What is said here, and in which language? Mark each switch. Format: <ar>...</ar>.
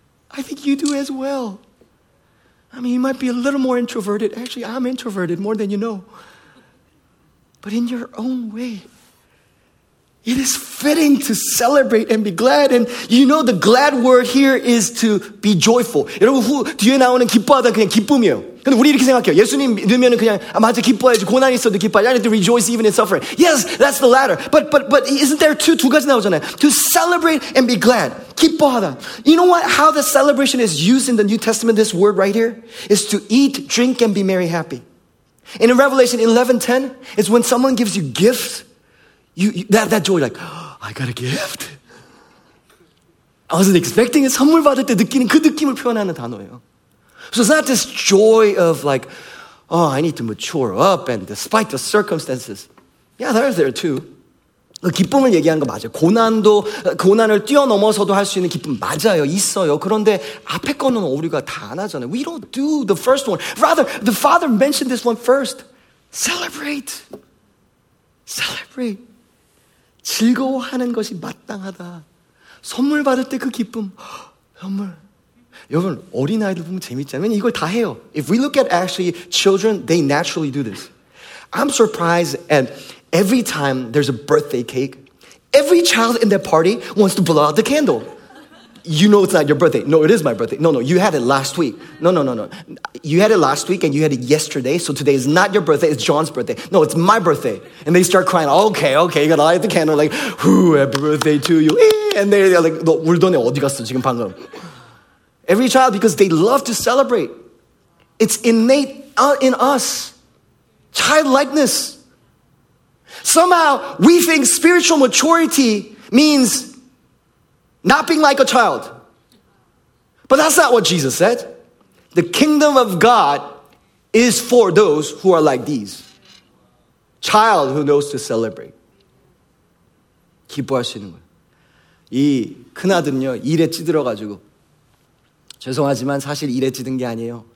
<en>I think you do as well. I mean, you might be a little more introverted. Actually, I'm introverted more than you know. But in your own way, it is fitting to celebrate and be glad. And you know the glad word here is to be joyful.</en> <ko>여러분, 뒤에 나오는 기뻐하다 그냥 기쁨이에요. 근데 우리 이렇게 생각해요. 예수님 믿으면 그냥 아, 맞아, 기뻐해야지. 고난이 있어도 기뻐해야지.</ko> <en>I need to rejoice even in suffering. Yes, that's the latter. But isn't there two</en> <ko>가지 나오잖아요.</ko> <en>To celebrate and be glad.</en> <ko>기뻐하다.</ko> <en>You know what? How the celebration is used in the New Testament, this word right here, is to eat, drink, and be merry, happy. And in Revelation 11:10, it's when someone gives you gifts, that joy, like, oh, I got a gift. I wasn't expecting it.</en> <ko>선물 받을 때 느끼는 그 느낌을 표현하는 단어예요.</ko> <en>So it's not this joy of like, oh, I need to mature up and despite the circumstances. Yeah, there's there too.</en> <ko>기쁨을 얘기하는 거 맞아요. 고난도, 고난을 뛰어넘어서도 할 수 있는 기쁨 맞아요. 있어요. 그런데 앞에 거는 우리가 다 안 하잖아요.</ko> <en>We don't do the first one. Rather, the father mentioned this one first. Celebrate. Celebrate.</en> <ko>즐거워하는 것이 마땅하다. 선물 받을 때 그 기쁨. 선물. 여러분, 어린아이들 보면 재밌잖아요. 이걸 다 해요.</ko> <en>If we look at actually children, they naturally do this. I'm surprised at every time there's a birthday cake, every child in that party wants to blow out the candle. You know it's not your birthday. No, it is my birthday. No, no, you had it last week. No. You had it last week and you had it yesterday, so today is not your birthday, it's John's birthday. No, it's my birthday. And they start crying, okay, you gotta light the candle, like, whoo, happy birthday to you. And they're like,</en> <ko>너 우리 동네 어디 갔어, 지금 방금.</ko> <en>Every child, because they love to celebrate. It's innate in us. Childlikeness. Somehow, we think spiritual maturity means not being like a child. But that's not what Jesus said. The kingdom of God is for those who are like these. Child who knows to celebrate.</en> <ko>기뻐하시는 거예요. 이 큰아들은요, 일에 찌들어가지고 죄송하지만 사실 일에 찌든 게 아니에요.</ko>